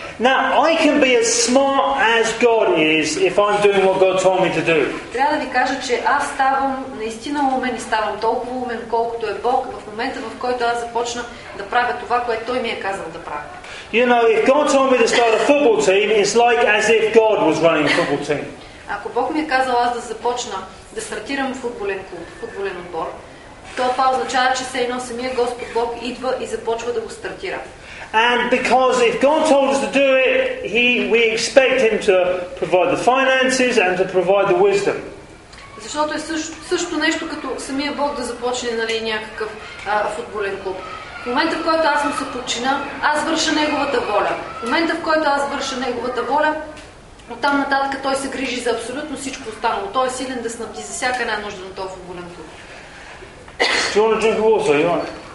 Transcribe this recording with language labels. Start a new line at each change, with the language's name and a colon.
English: Now, I can be as smart as God is if I'm doing what God told me to do.
Bulgarian: Трябва да ви кажа, че аз ставам наистина умен и ставам толкова умен, колкото е Бог, в момента, в който аз започна да правя това, което Той ми е казал да правя.
English: You know, if God told me to start a football team, it's like as if God was running a football team.
Bulgarian: Ако Бог ми е казал аз да започна да стартирам футболен клуб, футболен отбор, това означава, че все едно самия Господ Бог идва и започва да го стартира.
English: And because if God told us to do it, we expect Him to provide the finances and to provide the wisdom.
Bulgarian: Защото е също нещо като самия Бог да започне, нали, някакъв футболен клуб. В момента, в който аз му се подчина, аз върша неговата воля. В момента, в който аз върша неговата воля, оттам нататък той се грижи за абсолютно всичко останало. Той е силен да снабди за всяка една нужда на този футболен клуб.
English: Do you want to drink water? You want?